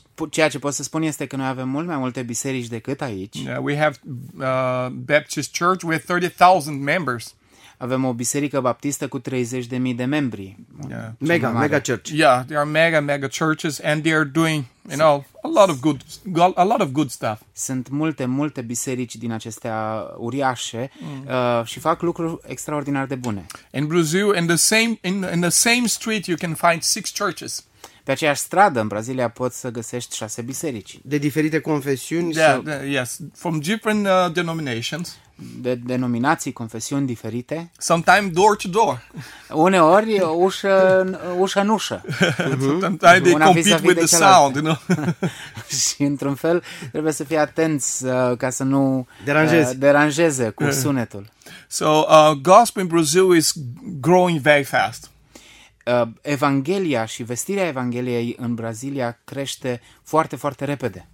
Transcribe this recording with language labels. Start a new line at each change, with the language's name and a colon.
Romanian: Ceea ce pot să spun este că noi avem mult mai multe biserici decât aici.
English: Yeah, we have Baptist church with 30,000 members.
Romanian: Avem o biserică baptistă cu 30,000 de membri.
English: Yeah. Mega, mega church. Yeah, they are mega, mega churches and they are doing, you know, a lot of good stuff.
Romanian: Sunt multe, multe biserici din acestea uriașe și fac lucruri extraordinar de bune.
English: In Brazil, in the same street, you can find 6 churches.
Romanian: Pe aceeași stradă în Brazilia poți să găsești 6 biserici. De diferite confesiuni.
English: Yes, from different denominations.
Romanian: De denominații, confesiuni diferite.
English: Sometimes door to door.
Romanian: Uneori ușă în ușă.
English: Sometimes they compete with the sound, you know.
Romanian: Și într-un fel trebuie să fii atenți ca să nu deranjeze cu sunetul.
English: So, gospel in Brazil is growing very fast.
Romanian: Evanghelia și vestirea Evangheliei în Brazilia crește foarte, foarte repede.